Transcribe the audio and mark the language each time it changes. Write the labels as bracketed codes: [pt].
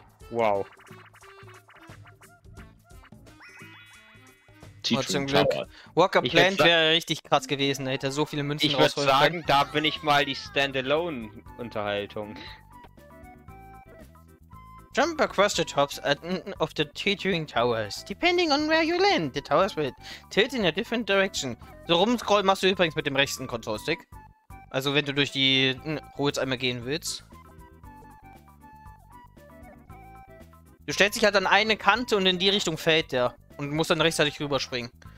[de] Wow. Oh, zum Glück. Walker Plant wäre richtig krass gewesen, da hätte er so viele Münzen rausholen können. Ich würde sagen, da bin ich mal die Standalone-Unterhaltung. [en] Jump across the tops of the Teetering Towers. Depending on where you land, the towers will tilt in a different direction. [de] So rumscrollen machst du übrigens mit dem rechten Control-Stick. Also wenn du durch die Ruhe jetzt einmal gehen willst. Du stellst dich halt an eine Kante und in die Richtung fällt der. Und musst dann rechtzeitig rüberspringen.